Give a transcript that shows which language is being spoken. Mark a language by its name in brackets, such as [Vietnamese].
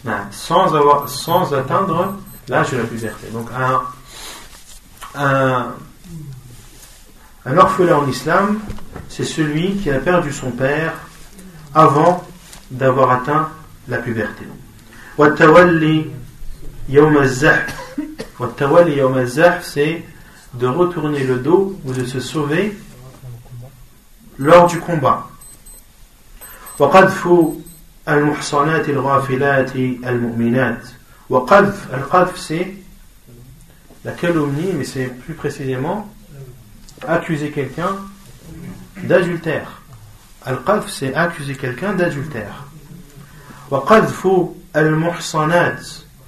[French] Sans atteindre l'âge de la puberté. Donc un orphelin en islam, c'est celui qui a perdu son père avant d'avoir atteint la puberté. [Arabic] Wattawalli yawm az-zahf, [French] c'est de retourner le dos ou de se sauver lors du combat. [Arabic] Wa qadfu المحصنات الغافلات المؤمنات. وقذف, القذف [French] c'est la calomnie, mais c'est plus précisément accuser quelqu'un d'adultère. [Arabic] القذف [French] c'est accuser quelqu'un d'adultère. [Arabic] وقذف المحصنات.